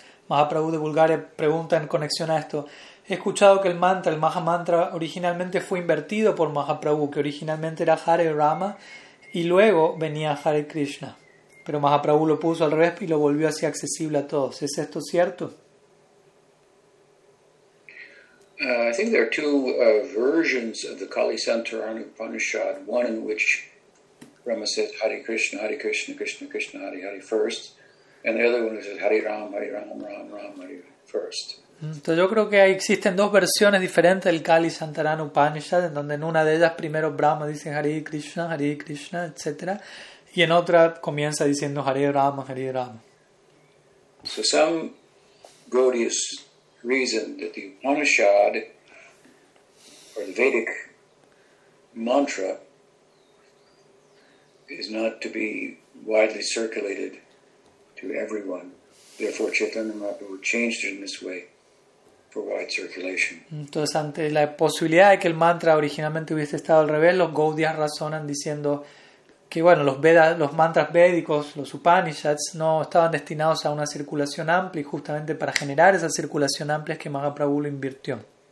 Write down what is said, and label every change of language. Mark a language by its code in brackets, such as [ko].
[es] Mahaprabhu de Bulgaria pregunta en conexión a esto. He escuchado que el Maha Mantra originalmente fue invertido por Mahaprabhu, que originalmente era Hare Rama y luego venía Hare Krishna. Pero Mahaprabhu lo puso al revés y lo volvió así accesible a todos. ¿Es esto cierto? [en] I think there are two versions of the Kali Santarana Upanishad. One in which Rama says Hare Krishna, Hare Krishna, Krishna Krishna, Hare Hare first. And the other one is Hari Ram, Hari Ram, Ram, Ram, Hari first. [es] Entonces yo creo que existen dos versiones diferentes del Kali Santarana Upanishad, en donde en una de ellas primero Brahma dice Hari Krishna, etc. Y en otra comienza diciendo Hari Ram, Hari Ram. [en] So some Gaudius reason that the Upanishad or the Vedic mantra is not to be widely circulated to everyone. Therefore, Chaitanya Mahaprabhu changed it in this way for wide circulation. [es] Entonces, ante la posibilidad de que el mantra originalmente hubiese estado al revés, los Gaudias razonan diciendo que, bueno, los Vedas, los mantras védicos, los Upanishads, no estaban destinados a una circulación amplia, y justamente para generar esa circulación amplia es que Mahaprabhu lo invirtió.